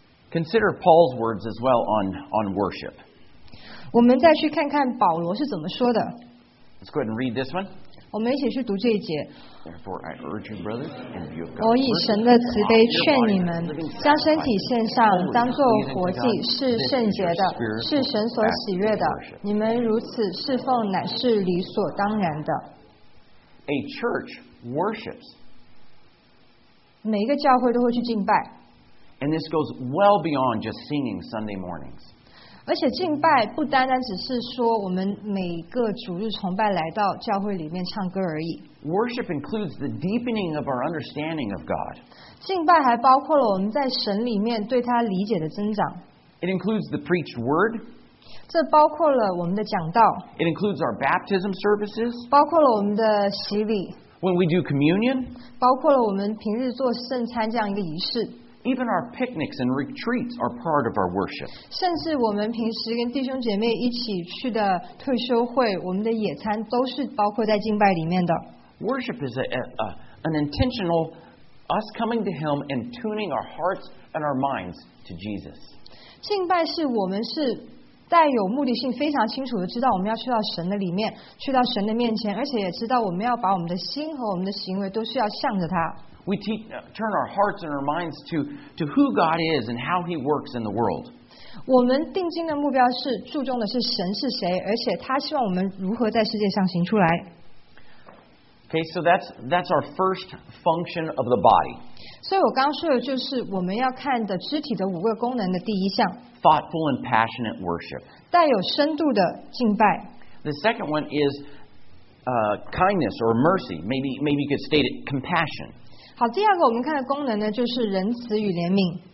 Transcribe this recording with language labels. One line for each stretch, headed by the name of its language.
English: Consider Paul's words as well on worship.
Chinese: 我们再去看看保罗是怎么说的。
English: Let's go ahead and read this one.
Chinese: 我们一起去读这一节。
English: Therefore, I urge you, brothers, and you have got
Chinese: 我以神的慈悲劝你们，将身体献上，当作活祭，是圣洁的，是神所喜悦的。你们如此侍奉，乃是理所当然的。
English: A church worships.
Chinese: 每一个教会都会去敬拜。
English: And this goes well beyond just singing Sunday mornings.
Chinese: 而且敬拜不单单只是说我们每个主日崇拜来到教会里面唱歌而已。
English: Worship includes the deepening of our understanding of God.
Chinese: 敬拜还包括了我们在神里面对他理解的增长。
English: It includes the preached word.
Chinese: 这包括了我们的讲道。
English: It includes our baptism services.
Chinese: 包括了我们的洗礼。
English: When we do communion.
Chinese: 包括了我们平日做圣餐这样一个仪式。
English: Even our picnics and retreats are part of our worship.
Chinese: 甚至我们平时跟弟兄姐妹一起去的退休会，我们的野餐都是包括在敬拜里面的。
English: Worship is an intentional us coming to Him and tuning our hearts and our minds to Jesus.
Chinese: 敬拜是我们是带有目的性非常清楚的知道我们要去到神的里面去到神的面前而且也知道我们要把我们的心和我们的行为都是要向着他
English: We turn our hearts and our minds to who God is and how he works in the world
Chinese: 我们定睛的目标是注重的是神是谁而且他希望我们如何在世界上行出来
English: Okay, so that's our first function of the body
Chinese: 所以我刚说的就是我们要看的肢体的五个功能的第一项
English: Thoughtful and passionate worship.
Chinese: 带有深度的敬拜。
English: The second one is kindness or mercy. Maybe you could state it compassion.
Chinese: 好，第二个我们看的功能呢，就是仁慈与怜悯。